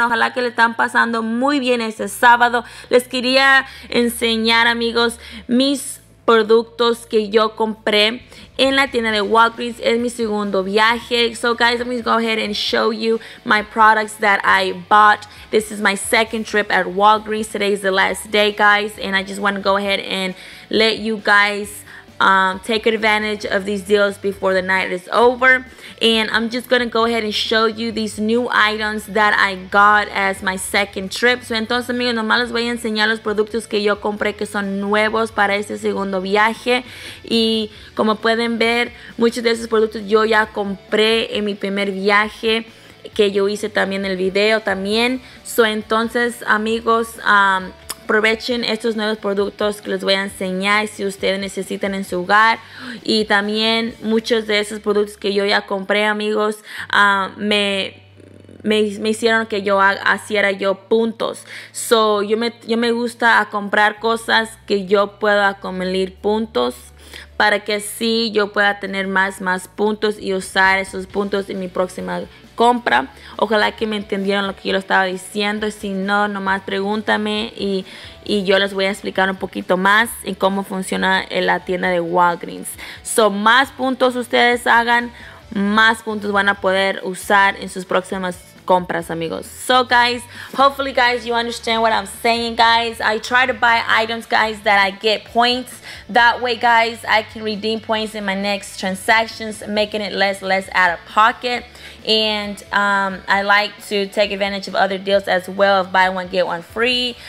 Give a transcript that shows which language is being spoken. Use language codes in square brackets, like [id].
[es] Ojalá que le están pasando muy bien ese sábado. Les quería enseñar, amigos, mis productos que yo compré en la tienda de Walgreens. Es mi segundo viaje. [en] So guys, let me go ahead and show you my products that I bought. This is my second trip at Walgreens. Today is the last day, guys, and I just want to go ahead and let you guys take advantage of these deals before the night is over. And I'm just gonna go ahead and show you these new items that I got as my second trip. [es] So entonces amigos, nomás les voy a enseñar los productos que yo compré que son nuevos para este segundo viaje. Y como pueden ver, muchos de esos productos yo ya compré en mi primer viaje, que yo hice también el video también. So entonces amigos, aprovechen estos nuevos productos que les voy a enseñar si ustedes necesitan en su hogar. Y también muchos de esos productos que yo ya compré, amigos, me hicieron que yo haciera yo puntos. So yo me gusta a comprar cosas que yo pueda acumular puntos para que así yo pueda tener más puntos y usar esos puntos en mi próxima compra. Ojalá que me entendieron lo que yo estaba diciendo. Si no, nomás pregúntame y yo les voy a explicar un poquito más en cómo funciona en la tienda de Walgreens. So, más puntos ustedes hagan, más puntos van a poder usar en sus próximas compras, amigos. [en] So guys, hopefully guys you understand what I'm saying, guys. I try to buy items, guys, that I get points. That way, guys, I can redeem points in my next transactions, making it less out of pocket. And I like to take advantage of other deals as well, of buy one get one free.